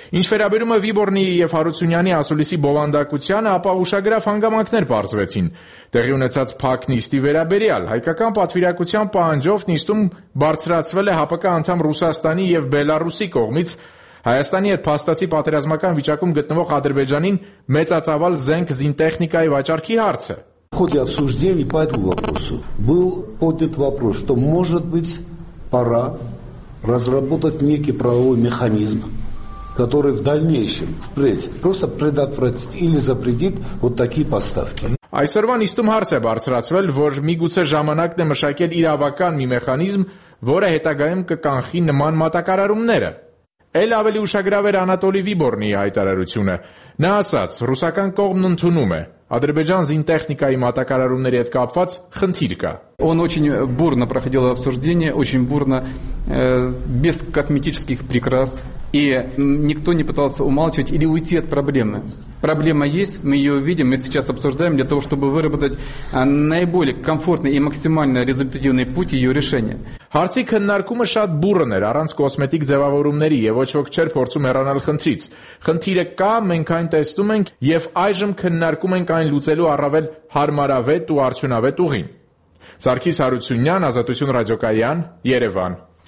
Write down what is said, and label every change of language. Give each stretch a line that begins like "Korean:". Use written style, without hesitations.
Armenian: Ինչ վերաբերում է Վիբորնի եւ Հարությունյանի ասուլիսի բովանդակությանը, ապա ուշագրավ հանգամանքներ բարձվեցին։ Տեղի ունեցած փակ նիստի վերաբերյալ հայկական պատվիրակության պահանջով նիստում բարձրացվել է ՀՊԿ անդամ Ռուսաստանի եւ Բելարուսի կողմից Հայաստանի հետ փաստացի պատերազմական վիճակում գտնվող Ադրբեջանին մեծածավալ զենք զինտեխնիկայի վաճառքի հարցը։
Russian: Ходя обсуждение по этому вопросу, был поднят вопрос, что может быть пора разработать некий правовой механизм, который в дальнейшем, впредь, просто предотвратит или запретит вот такие поставки.
Armenian: Այսօրվա նիստում հարց է բարձրացվել, որ միգուցե ժամանակն է մշակել իրավական մի մեխանիզմ, որը հետագայում կկանխի նման մատակարարումները։ Էլ ավելի ուշագրավ էր Անատոլի Վիբորնի հայտարարությունը։ Նա ասաց, ռուսական կողմն ընդունում է Ադրբեջան զինտեխնիկայի մատակարարումների հետ կապված խնդիր կա։
Russian: Он очень бурно проходил обсуждение, очень бурно, без косметических прикрас, и никто не пытался умалчивать или уйти от проблемы. Проблема есть, мы ее видим, мы сейчас обсуждаем для того, чтобы выработать наиболее комфортный и максимально результативный путь ее решения.
Armenian: Հարցի քննարկումը շատ բուրըն էր, առանց կոսմետիկ ձևավորումների, եւ ոչ ոք չէր փորձում հեռանալ խնդրից։ Խնդիրը կա, մենք այն տեսնում ենք եւ այժմ քննարկում ենք այն լուծելու առավել հարմարավետ ու արդյունավետ ուղին։ Սարգիս Հարությունյան, Ազատություն ռադիոկայան, Երևան։